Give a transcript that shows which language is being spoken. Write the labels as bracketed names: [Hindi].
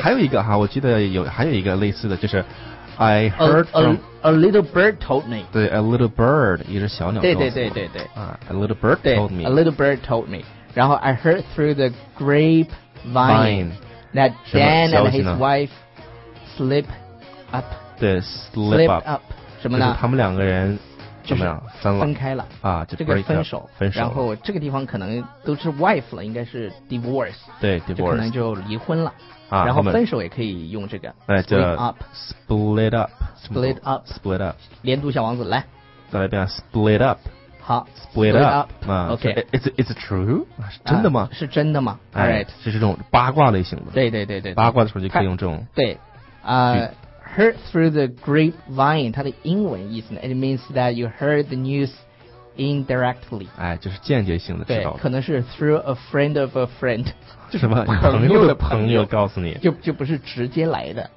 [Chinese] 还有一个哈，我记得还有一个类似的，就是 [English] I heard a little bird told me， [Chinese] 对， [English] a little bird [Chinese] 也是小鸟，对对对对对、 [English] a little bird told me， a little bird told me， 然后 I heard through the grapevine that Dan and his wife slip up，对， slip up [Chinese] 什么呢？就是他们两个人怎么样、就是、分开了啊，就这个分手，分手，然后这个地方可能都是 wife 了，应该是 divorce，对 divorce，就可能就离婚了。啊、然后分手也可以用这个、哎、 [English] split up [Chinese] 连读小王子来再来一遍 [English] split up [Chinese] 好 [English] split up、 okay. so、it's true [Chinese] 是真的吗、是真的吗、哎、 [English] right. [Chinese] 是这种八卦类型的对对 对， 对八卦的时候就可以用这种 [English] 对、heard through the grapevine [Chinese] 它的英文意思呢 [English] it means that you heard the news indirectly [Chinese] 哎，就是间接性的知道对可能是 [English] through a friend of a friend [Chinese] 什么朋友的朋友告诉你就不是直接来的